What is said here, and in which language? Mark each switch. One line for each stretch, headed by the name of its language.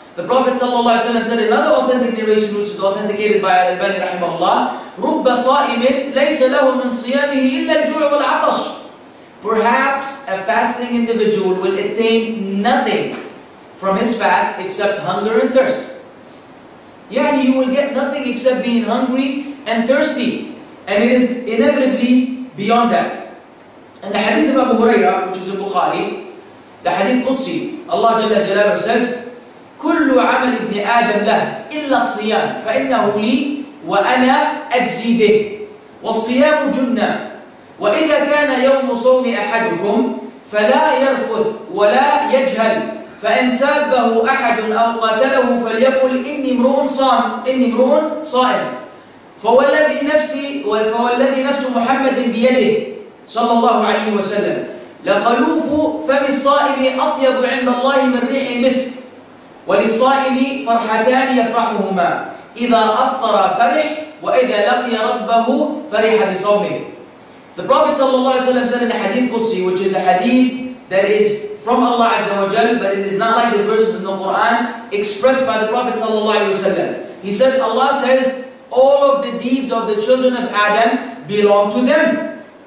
English: The Prophet ﷺ said another authentic narration, which is authenticated by Al-Albani rahimahullah,
Arabic: رُبَّ صَائِمٍ لَيْسَ لَهُ مِنْ صِيَامِهِ إِلَّا الْجُوعُ وَالْعَطَشُ.
English: Perhaps a fasting individual will attain nothing from his fast except hunger and thirst. يعني you will get nothing except being hungry and thirsty. And it is inevitably beyond that. And the hadith of Abu Huraira, which is in Bukhari, the hadith Qudsi, Allah Jalla Jalaluhu says,
Arabic: كل عمل ابن آدم له إلا الصيام فإنه لي وأنا أجزي به والصيام جنة وإذا كان يوم صوم أحدكم فلا يرفث ولا يجهل فإن سابه أحد أو قاتله فليقل إني امرؤ صام إني امرؤ صائم فوالذي نفسي فوالذي نفس محمد بيده صلى الله عليه وسلم لخلوف فم الصائم أطيب عند الله من ريح المسك وللصائم فرحتان يفرحهما إذا أفطر فرح وإذا لقي ربه فرح بصومه.
English: The Prophet ﷺ said in a hadith Qudsi, which is a hadith that is from Allah Azza wa Jal, but it is not like the verses in the Quran expressed by the Prophet ﷺ. He said, Allah says, all of the deeds of the children of Adam belong to them.